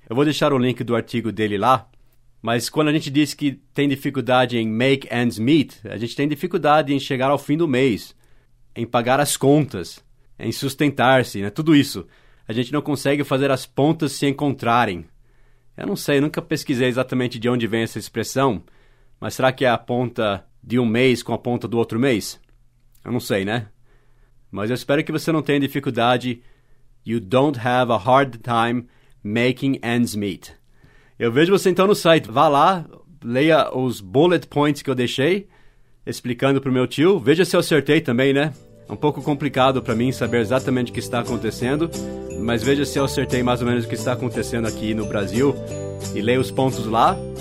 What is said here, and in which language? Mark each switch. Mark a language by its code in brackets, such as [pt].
[pt] Eu vou deixar o link do artigo dele lá, mas quando a gente diz que tem dificuldade em make ends meet, a gente tem dificuldade em chegar ao fim do mês, em pagar as contas, em sustentar-se, né? Tudo isso. A gente não consegue fazer as pontas se encontrarem. Eu não sei, eu nunca pesquisei exatamente de onde vem essa expressão, mas será que é a ponta de um mês com a ponta do outro mês? Eu não sei, né? Mas eu espero que você não tenha dificuldade. [en] You don't have a hard time making ends meet. [pt] Eu vejo você então no site. Vá lá, leia os bullet points que eu deixei, explicando pro meu tio. Veja se eu acertei também, né? É um pouco complicado para mim saber exatamente o que está acontecendo, mas veja se eu acertei mais ou menos o que está acontecendo aqui no Brasil e leia os pontos lá.